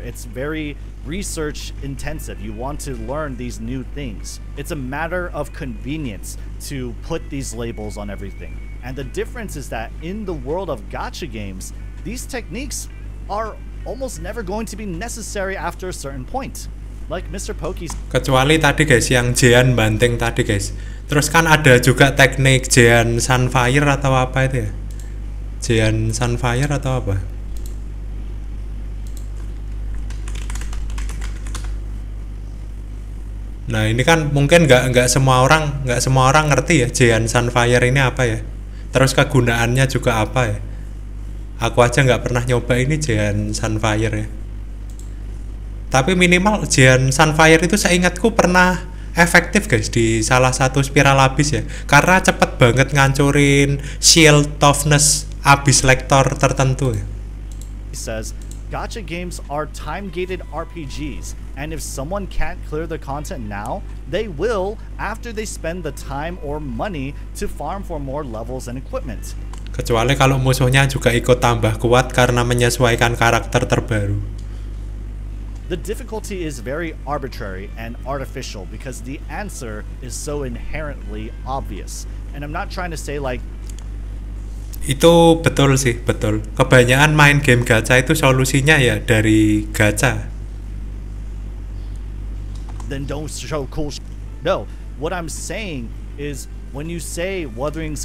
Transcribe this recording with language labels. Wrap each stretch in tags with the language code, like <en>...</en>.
<en>It's very research intensive. You want to learn these new things. It's a matter of convenience to put these labels on everything. And the difference is that in the world of gacha games, these techniques are almost never going to be necessary after a certain point. Like Mr. Pokey's...</en> <id>Kecuali tadi guys, yang Jian banting tadi guys. Terus kan ada juga teknik Jian Sunfire atau apa itu ya? Jian Sunfire atau apa? Nah ini kan mungkin nggak semua orang ngerti ya Jian Sunfire ini apa ya? Terus kegunaannya juga apa ya? Aku aja nggak pernah nyoba ini Jian Sunfire ya. Tapi minimal Jian Sunfire itu seingatku pernah efektif guys di salah satu spiral abyss ya. Karena cepet banget ngancurin shield toughness abyss lector tertentu ya.</id> <en>He says, gacha games are time-gated RPGs. And if someone can't clear the content now, they will after they spend the time or money to farm for more levels and equipment.</en> <id>Kecuali kalau musuhnya juga ikut tambah kuat karena menyesuaikan karakter terbaru.</id> <en>The difficulty is very arbitrary and artificial because the answer is so inherently obvious. And I'm not trying to say like...</en> <id>Itu betul sih, betul. Kebanyakan main game gacha itu solusinya ya dari gacha.</id> <en>Then don't show cool sh- No, what I'm saying is when you say Wuthering's</en>